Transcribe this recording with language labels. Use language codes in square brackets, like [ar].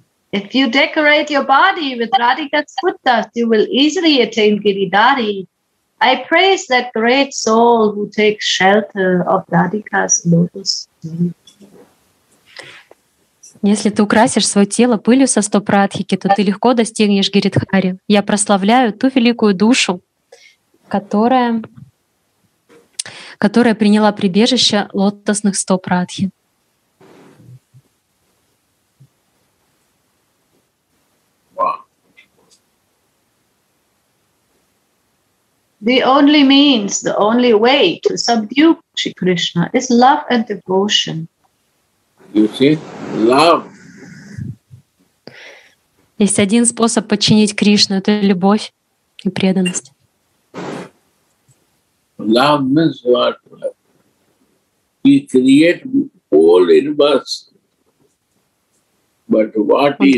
[en] If you decorate your body with Radhika's foot dust, you will easily attain Giridhari. I praise that great soul who takes shelter of Radhika's lotus feet. [ru] Если ты украсишь свое тело пылью со стоп Радхики, то ты легко достигнешь Гиридхари. Я прославляю ту великую душу, которая приняла прибежище лотосных стоп Радхи. [en] The only means, the only way to subdue Sri Krishna is love and devotion. You see, love. [ru] Есть один способ подчинить Кришну — это любовь и преданность. [en] Love means what? He creates all universe. But what he